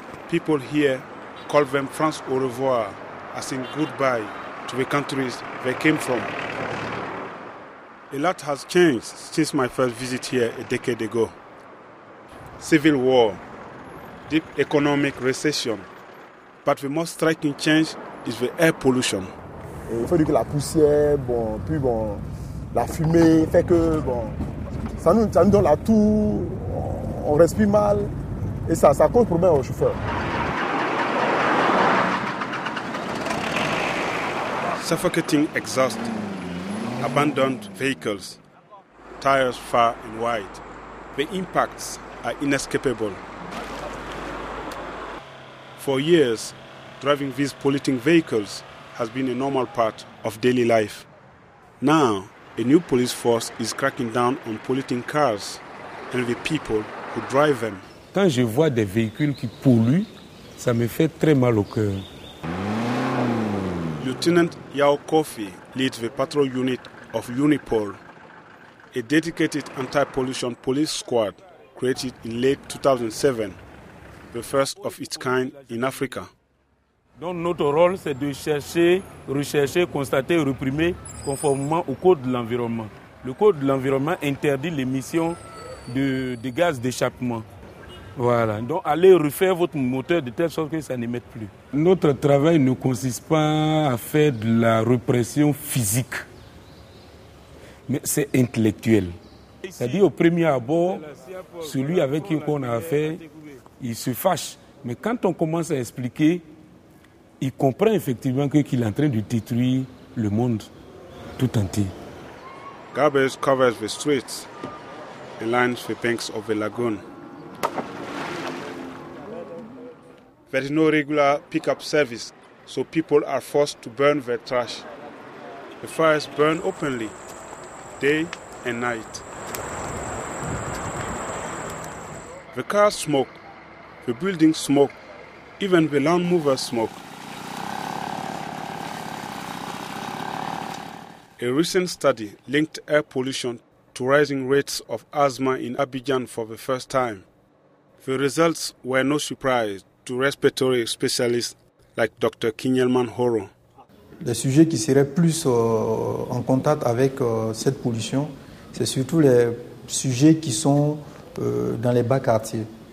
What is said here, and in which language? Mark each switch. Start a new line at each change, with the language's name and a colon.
English: People here call them France au revoir, as in goodbye to the countries they came from. A lot has changed since my first visit here a decade ago. Civil war, deep economic recession, but the most striking change is the air pollution.
French: Il faut dire que la poussière, bon, puis bon, la fumée fait que bon, ça nous donne la toux, on respire mal, et ça cause problème aux chauffeurs.
English: Suffocating exhaust, abandoned vehicles, tires far and wide, the impacts are inescapable. For years, driving these polluting vehicles has been a normal part of daily life. Now, a new police force is cracking down on polluting cars and the people who drive them.
French: Quand je vois des véhicules qui polluent, ça me fait très mal au cœur.
English: Lieutenant Yao Kofi leads the patrol unit of Unipol, a dedicated anti-pollution police squad created in late 2007, the first of its kind in Africa.
French: Donc notre rôle, c'est de chercher, rechercher, constater, réprimer conformément au code de l'environnement. Le code de l'environnement interdit l'émission de gaz d'échappement. Voilà. Donc allez refaire votre moteur de telle sorte que ça n'émette plus. Notre travail ne consiste pas à faire de la répression physique, mais c'est intellectuel. C'est-à-dire au premier abord, celui avec qui on a affaire, il se fâche. Mais quand on commence à expliquer, il comprend effectivement qu'il est en train de détruire le monde tout entier.
English: Garbage covers the streets and lines the banks of the lagoon. There is no regular pickup service, so people are forced to burn their trash. The fires burn openly, day and night. The cars smoke, the buildings smoke, even the lawn movers smoke. A recent study linked air pollution to rising rates of asthma in Abidjan for the first time. The results were no surprise to respiratory specialists like Dr. Kinyelman Horo.
French: Les sujets qui seraient plus en contact avec cette pollution, c'est surtout les sujets qui sont dans les bas quartiers.